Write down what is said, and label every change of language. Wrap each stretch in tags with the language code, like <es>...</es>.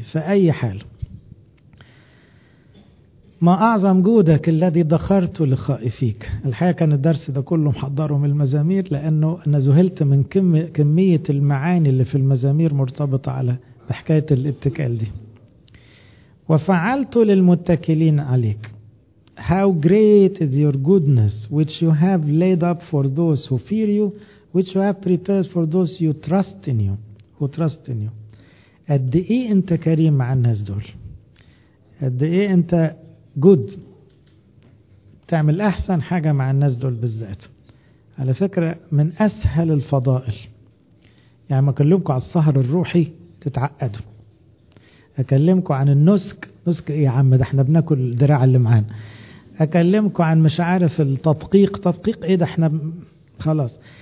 <ar>فأي حال، ما أعظم جودك الذي دخرت لخائفيك. الحقيقة كان الدرس ده كله محضره من المزامير، لأنه أنا زهلت من كمية المعاني اللي في المزامير مرتبطة على بحكاية الاتكال دي. وفعلت للمتكلين عليك.</ar> <en>How great is your goodness which you have laid up for those who fear you, which you have prepared for those you trust in you. Who trust in you.</en> <ar>قد إيه أنت كريم مع الناس دول، قد إيه أنت</ar> <en>good،</en> <ar>تعمل أحسن حاجة مع الناس دول بالذات. على فكرة من أسهل الفضائل، يعني ما أكلمكم على الصهر الروحي تتعقدوا، أكلمكم عن النسك، نسك إيه يا عم ده احنا بناكل الدراع اللي معانا، أكلمكم عن مش عارف التدقيق، تدقيق إيه ده احنا خلاص.</ar>